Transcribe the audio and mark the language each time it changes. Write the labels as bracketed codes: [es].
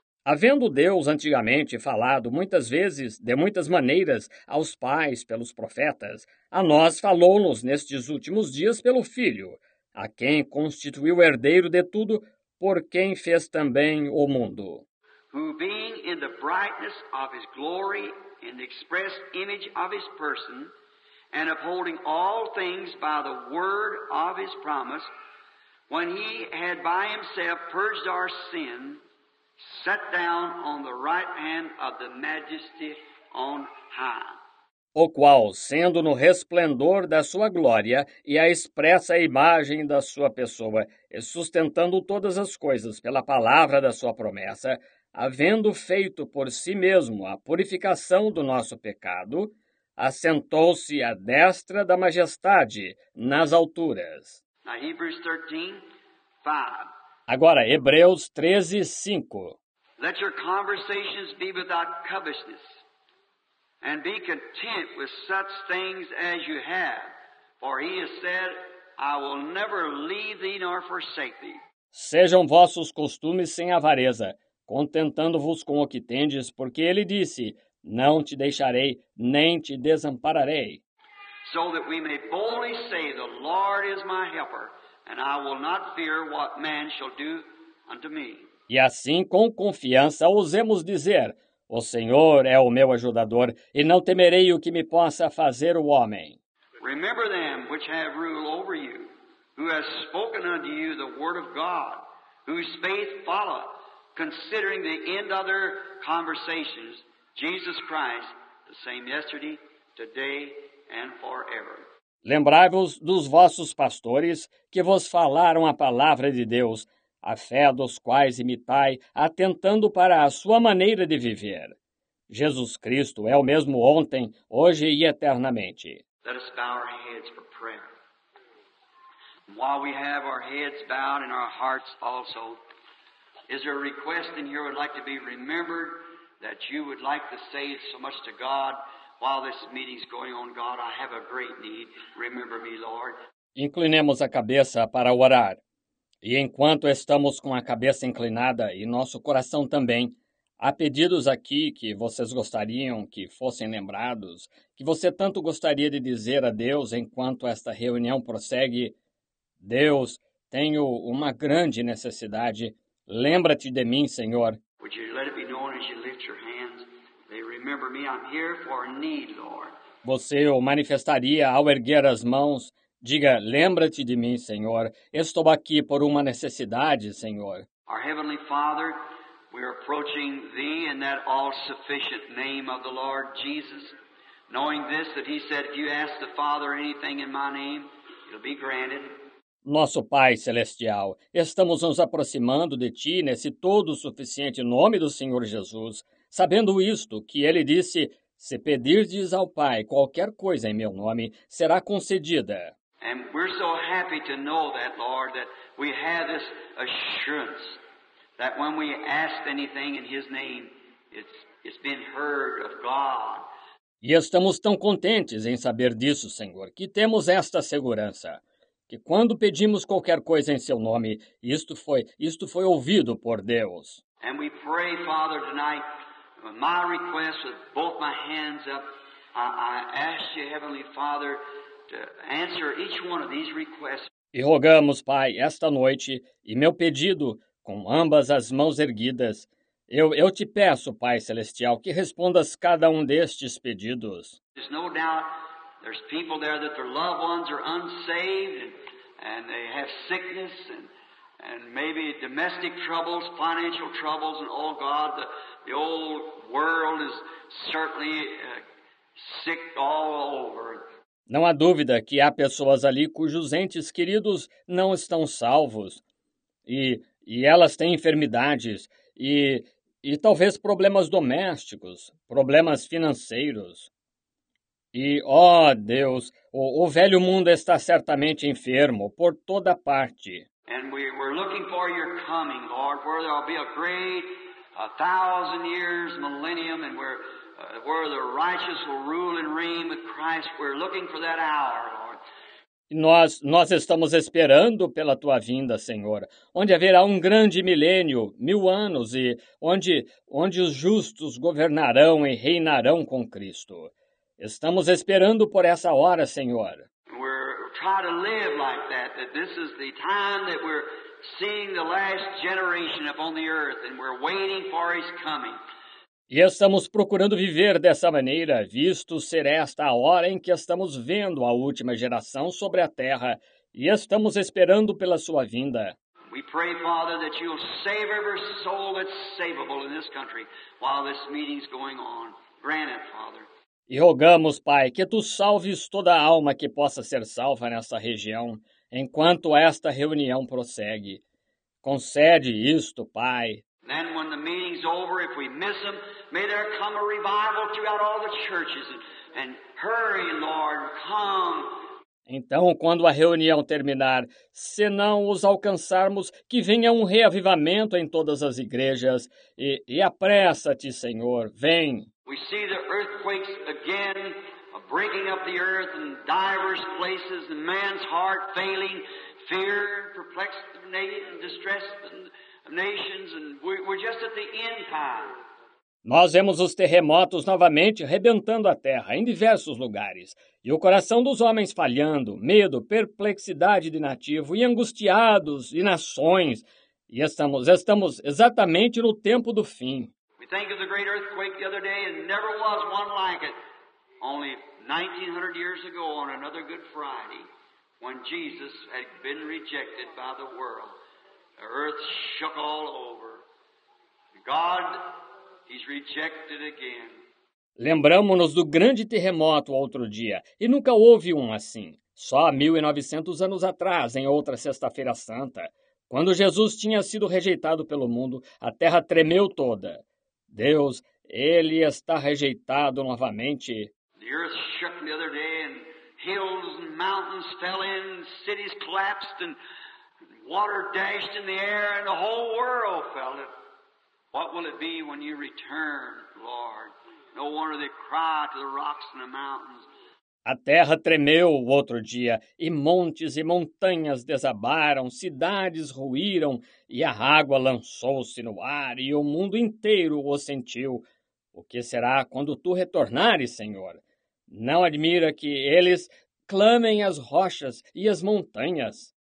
[pt] Havendo Deus antigamente falado muitas vezes, de muitas maneiras, aos pais pelos profetas, a nós falou-nos nestes últimos dias pelo Filho, a quem constituiu herdeiro de tudo, por quem fez também o mundo. [en] Who being in the brightness of his glory, in the express image of his person, and upholding all things by the word of his promise, when he had by himself purged our sin, sat down on the right hand of the majesty on high. [pt] O qual, sendo no resplendor da sua glória e a expressa imagem da sua pessoa, e sustentando todas as coisas pela palavra da sua promessa, havendo feito por si mesmo a purificação do nosso pecado, assentou-se à destra da majestade nas alturas. [en] Now, Hebrews 13, 5. [pt] Agora, Hebreus 13, 5. [en] Let your conversations be without covetousness. And be content with such things as you have, for he has said, I will never leave thee nor forsake thee. [pt] Sejam vossos costumes sem avareza, contentando-vos com o que tendes, porque ele disse, não te deixarei, nem te desampararei. [en] So that we may boldly say, the Lord is my helper, and I will not fear what man shall do unto me. [pt] E assim, com confiança, ousemos dizer, o Senhor é o meu ajudador, e não temerei o que me possa fazer o homem. [en] Remember them which have rule over you, who has spoken unto you the word of God, whose faith follow, considering the end of their conversations, Jesus Christ, the same yesterday, today, and forever. [pt] Lembrai-vos dos vossos pastores, que vos falaram a palavra de Deus, a fé dos quais imitai, atentando para a sua maneira de viver. Jesus Cristo é o mesmo ontem, hoje e eternamente. [en] Let us bow our heads for prayer. While we have our heads bowed and our hearts also, is there a request in here would like to be remembered that you would like to say so much to God while this meeting's going on. God, I have a great need. Remember me, Lord. [pt] Inclinemos a cabeça para orar. E enquanto estamos com a cabeça inclinada e nosso coração também, há pedidos aqui que vocês gostariam que fossem lembrados, que você tanto gostaria de dizer a Deus enquanto esta reunião prossegue. Deus, tenho uma grande necessidade. Lembra-te de mim, Senhor. [en] Would you let it be known as you lift your hands? They remember me, I'm here for a need, Lord. [pt] Você o manifestaria ao erguer as mãos? Diga, lembra-te de mim, Senhor. Estou aqui por uma necessidade, Senhor. [en] Our Heavenly Father, we are approaching Thee in that all-sufficient name of the Lord Jesus, knowing this, that He said, if you ask the Father anything in my name, it'll be granted. [pt] Nosso Pai Celestial, estamos nos aproximando de Ti nesse todo-suficiente nome do Senhor Jesus, sabendo isto, que Ele disse, se pedirdes ao Pai qualquer coisa em meu nome, será concedida. [en] And we're so happy to know that, Lord, that we have this assurance that when we ask anything in His name, it's been heard of God. [pt] E estamos tão contentes em saber disso, Senhor, que temos esta segurança, que quando pedimos qualquer coisa em Seu nome, isto foi ouvido por Deus. [en] And we pray, Father, tonight, my request with both my hands up, I ask You, Heavenly Father, to answer each one of these requests. [pt] E rogamos, Pai, esta noite, e meu pedido, com ambas as mãos erguidas, eu te peço, Pai Celestial, que respondas cada um destes pedidos. [en] There's no doubt there's people there that their loved ones are unsaved and they have sickness and maybe domestic troubles, financial troubles, and oh God, the old world is certainly sick all over. [pt] Não há dúvida que há pessoas ali cujos entes queridos não estão salvos e elas têm enfermidades e talvez problemas domésticos, problemas financeiros. E, ó Deus, o velho mundo está certamente enfermo por toda parte. [en] And we're looking for Your coming, Lord, where there'll be a great a thousand years, millennium, and where the righteous will rule and reign with Christ. We're looking for that hour, Lord. [pt] Nós estamos esperando pela Tua vinda, Senhor, onde haverá um grande milênio, mil anos, e onde os justos governarão e reinarão com Cristo. Estamos esperando por essa hora, Senhor. [en] We're trying to live like that, that this is the time that we're seeing the last generation upon the earth, and we're waiting for His coming. [pt] E estamos procurando viver dessa maneira, visto ser esta a hora em que estamos vendo a última geração sobre a terra, e estamos esperando pela Sua vinda. [en] We pray, Father, that You'll save every soul that's savable in this country while this meeting's going on. Grant it, Father. [pt] E rogamos, Pai, que Tu salves toda a alma que possa ser salva nessa região, enquanto esta reunião prossegue. Concede isto, Pai. [en] Then when the meeting's over, if we miss them, may there come a revival throughout all the churches. And hurry, Lord, come. [pt] Então, quando a reunião terminar, se não os alcançarmos, que venha um reavivamento em todas as igrejas. E apressa-te, Senhor, vem. [en] We see the earthquakes again, breaking up the earth in diverse places, and man's heart failing, fear perplexed and distressed of nations, and we're just at the end time. [pt] Nós vemos os terremotos novamente rebentando a terra em diversos lugares, e o coração dos homens falhando, medo, perplexidade de nativo, e angustiados, e nações, e estamos exatamente no tempo do fim. [en] Think of the great earthquake the other day, and never was one like it. Only 1900 years ago on another Good Friday, when Jesus had been rejected by the world, the earth shook all over. God, He's rejected again. [pt] Lembramos-nos do grande terremoto outro dia, e nunca houve um assim. Só 1900 anos atrás, em outra Sexta-feira Santa, quando Jesus tinha sido rejeitado pelo mundo, a terra tremeu toda. Deus, Ele está rejeitado novamente. [en] The earth shook the other day, and hills and mountains fell in, cities collapsed, and water dashed in the air, and the whole world fell. What will it be when you return, Lord? No wonder they cry to the rocks and the mountains. [pt] A terra tremeu o outro dia, e montes e montanhas desabaram, cidades ruíram, e a água lançou-se no ar, e o mundo inteiro o sentiu. O que será quando tu retornares, Senhor? Não admira que eles clamem as rochas e as montanhas.